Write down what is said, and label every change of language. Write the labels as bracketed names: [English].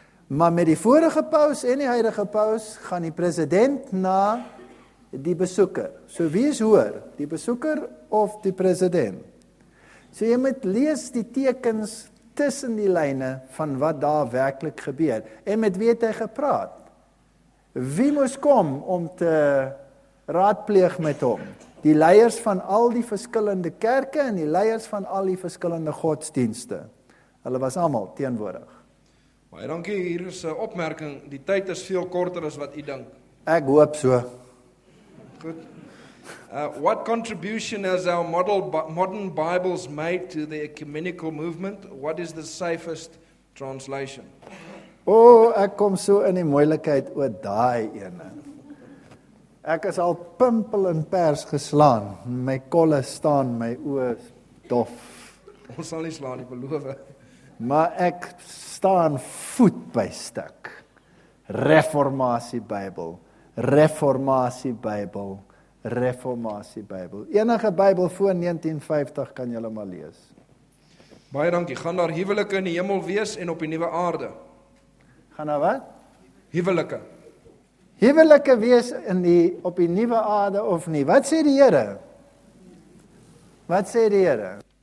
[Afrikaans] Maar met die vorige paus en die huidige paus, gaan die president na die besoeker. So wie is hoor, die besoeker of die president? So jy moet lees die tekens tussen die lyne van wat daar werklik gebeur. En met wie het hy gepraat? Wie moes kom om te raadpleeg met hom? Die leiers van al die verskillende kerke en die leiers van al die verskillende godsdienste. Hulle was allemaal teenwoordig. Baie dankie, hier is 'n opmerking. Die tyd is veel korter as wat u dink. Ek hoop so. Goed. [English] What contribution has our modern Bibles made to the ecumenical movement? What is the safest translation? [Afrikaans] O, ek kom so in die moeilikheid oor daai ene. Ek is al pimpel en pers geslaan. My kolle staan, my oë dof. Ons sal nie slaan, ek beloof. Maar ek staan voet by stuk. Reformatie Bybel. Enige Bybel voor 1950 kan julle maar lees. Baie dankie. Gaan daar huwelike in die hemel wees en op die nuwe aarde? Gaan daar wat? Huwelike. huwelike wees in die, op die nuwe aarde of nie? Wat sê die Here? Wat sê die Here?